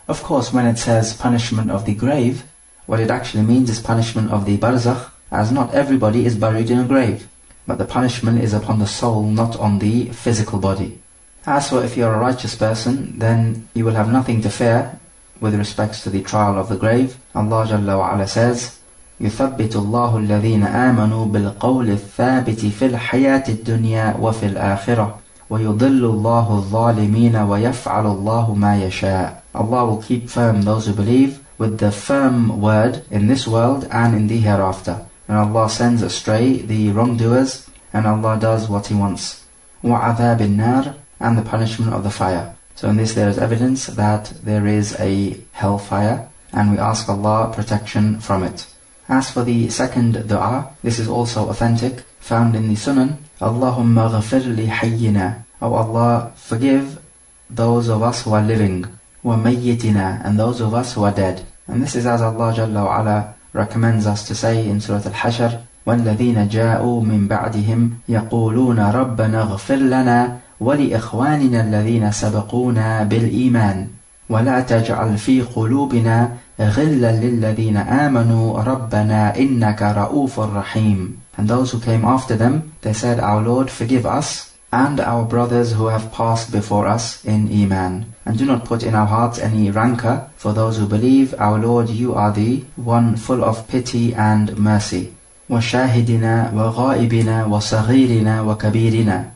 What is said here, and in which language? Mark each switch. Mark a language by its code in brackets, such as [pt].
[en] Of course, when it says punishment of the grave, what it actually means is punishment of the barzakh, as not everybody is buried in a grave. But the punishment is upon the soul, not on the physical body. As for if you're a righteous person, then you will have nothing to fear with respect to the trial of the grave. Allah Jalla wa Ala says, [ar] يُثَبِّتُ اللَّهُ الَّذِينَ آمَنُوا بِالْقَوْلِ الثَّابِتِ فِي الْحَيَاةِ الدُّنْيَا وَفِي الْآخِرَةِ وَيُضِلُّ اللَّهُ الظَّالِمِينَ وَيَفْعَلُ اللَّهُ مَا يَشَاءُ. [en] Allah will keep firm those who believe with the firm word in this world and in the hereafter. And Allah sends astray the wrongdoers, and Allah does what He wants. [ar] وَعَذَابِ النَّارِ, [en] and the punishment of the fire. So in this there is evidence that there is a hellfire, and we ask Allah protection from it. As for the second dua, this is also authentic, found in the Sunan. [ar] Allahumma ghafir li hayyina. [en] O Allah, forgive those of us who are living. [ar] Wa mayyitina, [en] and those of us who are dead. And this is as Allah Jalla wa Ala recommends us to say in Surah Al-Hashr, [ar] وَالَّذِينَ جَاءُوا مِنْ بَعْدِهِمْ يَقُولُونَ رَبَّنَا اغْفِرْ لَنَا وَلِإِخْوَانِنَا الَّذِينَ سَبَقُونَا بِالْإِيمَانِ وَلَا تَجْعَلْ فِي قُلُوبِنَا غِلًّا لِلَّذِينَ آمَنُوا رَبَّنَا إِنَّكَ رَؤُوفٌ رَحِيمٌ. [en] And those who came after them, they said, Our Lord, forgive us and our brothers who have passed before us in Iman. And do not put in our hearts any rancor for those who believe. Our Lord, You are the One full of pity and mercy. [ar] وَشَاهِدِنَا وَغَائِبِنَا وَصَغِيرِنَا وَكَبِيرِنَا.